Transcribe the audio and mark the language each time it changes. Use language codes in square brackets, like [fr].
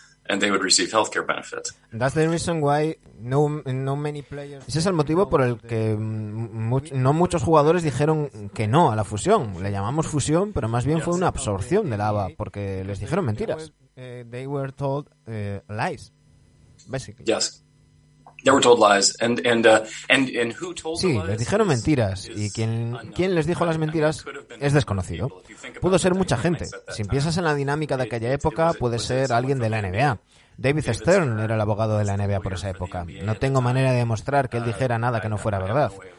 [en] That's the reason why no many players. [es] Ese es el motivo por el que no muchos jugadores dijeron que no a la fusión. Le llamamos fusión, pero más bien fue una absorción de la ABA porque les dijeron mentiras. [en] They were told lies, basically. Yes. They were told lies, and who told the lies? [es] Sí, les dijeron mentiras, y quién les dijo las mentiras es desconocido. Pudo ser mucha gente. Si piensas en la dinámica de aquella época, puede ser alguien de la NBA. David Stern era el abogado de la NBA por esa época. No tengo manera de demostrar que él dijera nada que no fuera verdad.